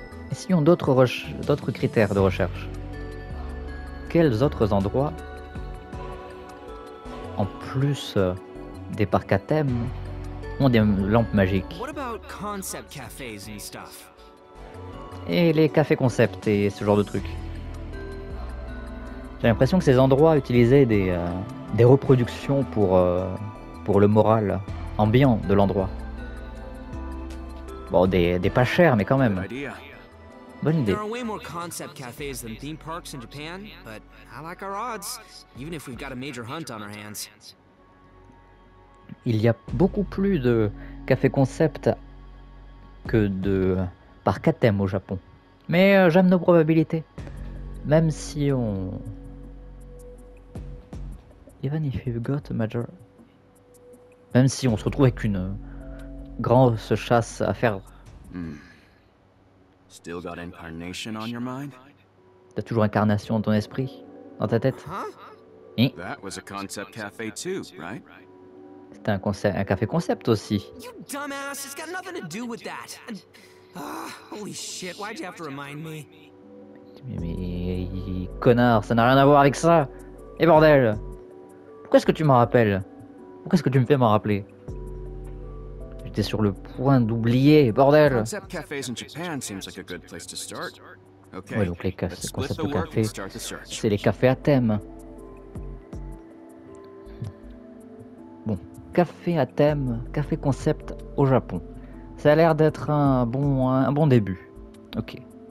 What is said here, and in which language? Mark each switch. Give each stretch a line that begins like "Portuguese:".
French: Essayons d'autres critères de recherche. Quels autres endroits, en plus des parcs à thème, ont des lampes magiques?
English: Concept cafés and stuff.
French: Et les cafés concept et ce genre de trucs. J'ai l'impression que ces endroits utilisaient des reproductions pour le moral ambiant de l'endroit. Bon, des pas chers, mais quand même. Bonne idée.
English: There are way more concept cafés than theme parks in Japan, but I like our odds, even if we've got a major hunt on our hands.
French: Il y a beaucoup plus de cafés concept que de parc à thème au Japon. Mais j'aime nos probabilités. Même si on...
English: Even if you've got a major...
French: Même si on se retrouve avec une grosse chasse à faire...
English: Still got incarnation on your mind?
French: T'as toujours incarnation dans ton esprit, dans ta tête. Huh?
English: That was a concept cafe too, right?
French: C'était un café concept aussi.
English: You dumbass, it's got nothing to do with that. And, holy shit, why'd you have to remind me?
French: Mais connard, ça n'a rien à voir avec ça. Et bordel, pourquoi est-ce que tu m'en rappelles? Pourquoi est-ce que tu me fais m'en rappeler? J'étais sur le point d'oublier, bordel.
English: Concept cafes in Japan seems like a good place to start. Okay.
French: Ouais, donc les concepts de café, c'est les cafés à thème. Café à thème, café concept au Japon. Ça a l'air d'être un bon début. Ok.